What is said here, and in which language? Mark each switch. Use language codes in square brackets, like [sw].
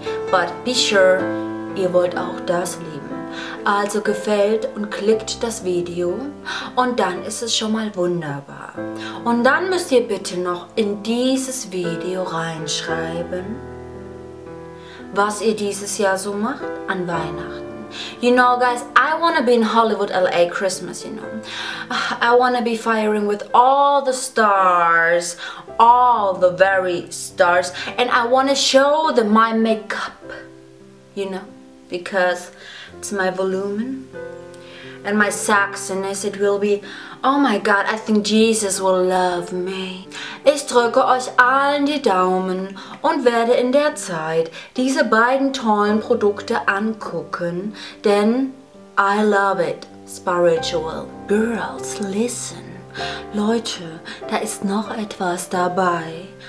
[en] But be sure, [de] ihr wollt auch das lieben. Also gefällt und klickt das Video und dann ist es schon mal wunderbar. Und dann müsst ihr bitte noch in dieses Video reinschreiben, was ihr dieses Jahr so macht an Weihnachten. [en] You know, guys, I wanna be in Hollywood LA Christmas, you know. I wanna be firing with all the stars, all the very stars. And I wanna show them my makeup, you know, because it's my volumen and my sexiness. It will be, oh my God, I think Jesus will love me. [de] Ich drücke euch allen die Daumen und werde in der Zeit diese beiden tollen Produkte angucken, denn [en] I love it, spiritual. Girls, listen. [de] Leute, da ist noch etwas dabei.